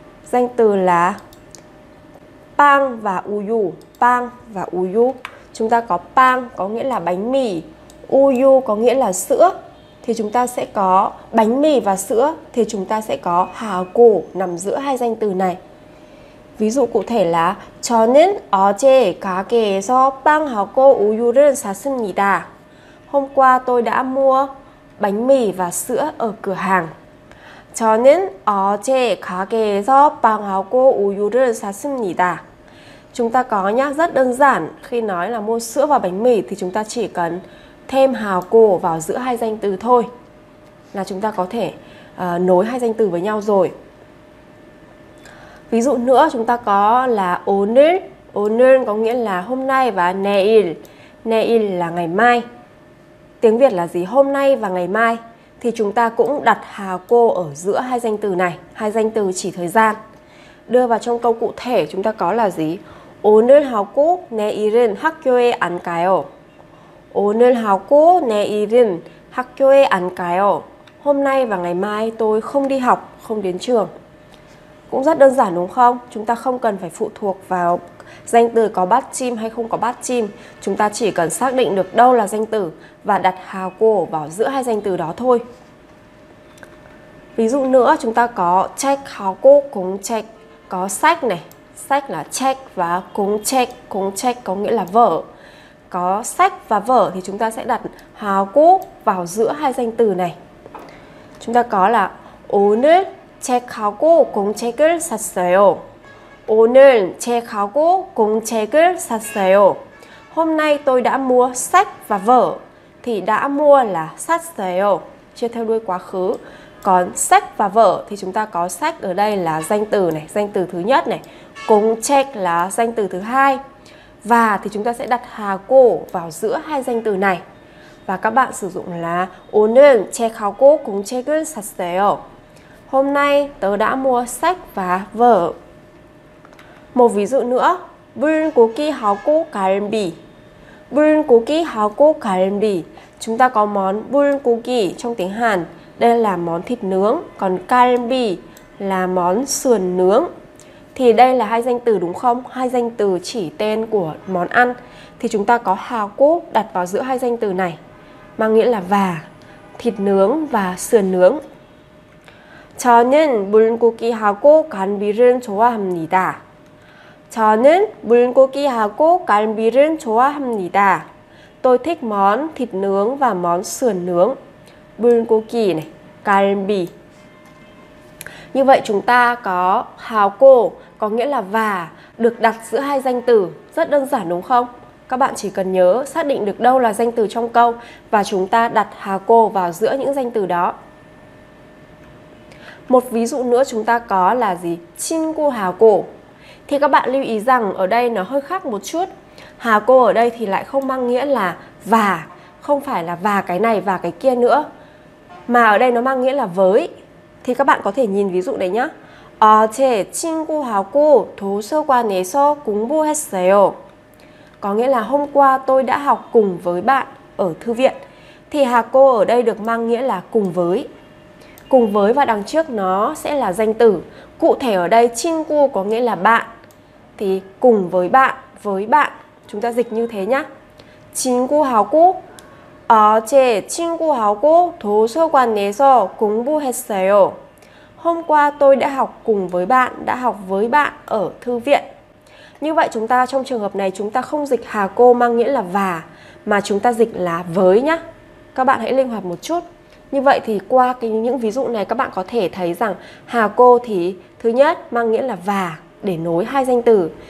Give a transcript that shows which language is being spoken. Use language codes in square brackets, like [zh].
[vi] Danh từ là pang và uyu. Pang và uyu. Chúng ta có pang có nghĩa là bánh mì, uyu có nghĩa là sữa. Thì chúng ta sẽ có bánh mì và sữa, thì chúng ta sẽ có hào cổ nằm giữa hai danh từ này. Ví dụ cụ thể là [ko] 저는 어제 가게에서 빵하고 우유를 샀습니다. [vi] Hôm qua tôi đã mua bánh mì và sữa ở cửa hàng. [ko] 저는 어제 가게에서 빵하고 우유를 샀습니다. [vi] Chúng ta có nhá, rất đơn giản. Khi nói là mua sữa và bánh mì thì chúng ta chỉ cần thêm hào cổ vào giữa hai danh từ thôi, là chúng ta có thể nối hai danh từ với nhau rồi. Ví dụ nữa chúng ta có là 오늘. 오늘 có nghĩa là hôm nay và 내일. 내일 là ngày mai. Tiếng Việt là gì? Hôm nay và ngày mai. Thì chúng ta cũng đặt hào cô ở giữa hai danh từ này, hai danh từ chỉ thời gian. Đưa vào trong câu cụ thể chúng ta có là gì? [ko] 오늘 하고 내일은 학교에 안 가요. 오늘 하고 내일은 학교에 안 가요. [vi] Hôm nay và ngày mai tôi không đi học, không đến trường. Cũng rất đơn giản đúng không? Chúng ta không cần phải phụ thuộc vào danh từ có bát chim hay không có bát chim. Chúng ta chỉ cần xác định được đâu là danh từ và đặt hào cổ vào giữa hai danh từ đó thôi. Ví dụ nữa chúng ta có check hào cổ cùng check. Có sách này, sách là check và cùng check. Cùng check có nghĩa là vở. Có sách và vở thì chúng ta sẽ đặt hào cổ vào giữa hai danh từ này. Chúng ta có là [ko] 오늘 책하고 공책을 샀어요. 오늘 책하고 공책을 샀어요. [vi] Hôm nay tôi đã mua sách và vở. Thì đã mua là 샀어요, chia theo đuôi quá khứ. Còn sách và vở thì chúng ta có sách ở đây là danh từ này, danh từ thứ nhất này. 공책 là danh từ thứ hai. Và thì chúng ta sẽ đặt hào cổ vào giữa hai danh từ này. Và các bạn sử dụng là [ko] 오늘 책하고 공책을 샀어요. [vi] Hôm nay tớ đã mua sách và vở. Một ví dụ nữa, [ko] 불고기 하고 갈비. 불고기 하고 갈비. [vi] Chúng ta có món 불고기 trong tiếng Hàn, đây là món thịt nướng, còn 갈비 là món sườn nướng. Thì đây là hai danh từ đúng không? Hai danh từ chỉ tên của món ăn. Thì chúng ta có 하고 đặt vào giữa hai danh từ này, mang nghĩa là và, thịt nướng và sườn nướng. [ko] 저는 불고기하고 갈비를 좋아합니다. 저는 불고기하고 갈비를 좋아합니다. [vi] Tôi thích món thịt nướng và món sườn nướng. [ko] 불고기 [vi] này, [ko] 갈비. [vi] Như vậy chúng ta có 하고 có nghĩa là và, được đặt giữa hai danh từ. Rất đơn giản đúng không? Các bạn chỉ cần nhớ xác định được đâu là danh từ trong câu và chúng ta đặt 하고 vào giữa những danh từ đó. Một ví dụ nữa chúng ta có là gì? [ko] 친구 하고. [vi] Thì các bạn lưu ý rằng ở đây nó hơi khác một chút. 하고 ở đây thì lại không mang nghĩa là và, không phải là và cái này và cái kia nữa, mà ở đây nó mang nghĩa là với. Thì các bạn có thể nhìn ví dụ này nhé. [ko] 어제 친구 하고 도서관에서 공부했어요. [vi] Có nghĩa là hôm qua tôi đã học cùng với bạn ở thư viện. Thì 하고 ở đây được mang nghĩa là cùng với. Cùng với và đằng trước nó sẽ là danh từ. Cụ thể ở đây 친구 có nghĩa là bạn. Thì cùng với bạn, chúng ta dịch như thế nhá. [ko] 친구 하고 어제 친구 하고 도서관에서 공부했어요. [vi] Hôm qua tôi đã học cùng với bạn, đã học với bạn ở thư viện. Như vậy chúng ta trong trường hợp này chúng ta không dịch hà cô mang nghĩa là và, mà chúng ta dịch là với nhá. Các bạn hãy linh hoạt một chút. Như vậy thì qua những ví dụ này các bạn có thể thấy rằng hà cô thì thứ nhất mang nghĩa là và để nối hai danh từ.